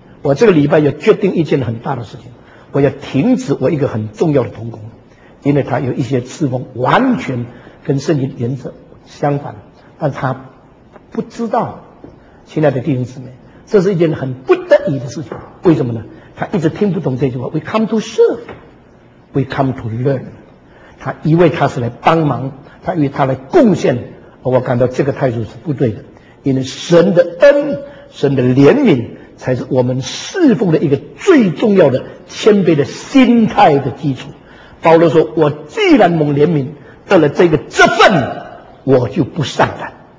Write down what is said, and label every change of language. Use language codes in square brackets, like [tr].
[zh] 我这个礼拜要决定一件很大的事情，我要停止我一个很重要的同工，因为他有一些侍奉完全跟圣经原则相反，但他不知道。亲爱的弟兄姊妹，这是一件很不得已的事情。为什么呢？他一直听不懂这句话， [en] We come to serve, We come to learn。 [zh] 他以为他是来帮忙，他以为他来贡献，而我感到这个态度是不对的。因为神的恩，神的怜悯才是我们侍奉的一个最重要的谦卑的心态的基础。保罗说，我既然蒙怜悯得了这个职分，我就不上胆。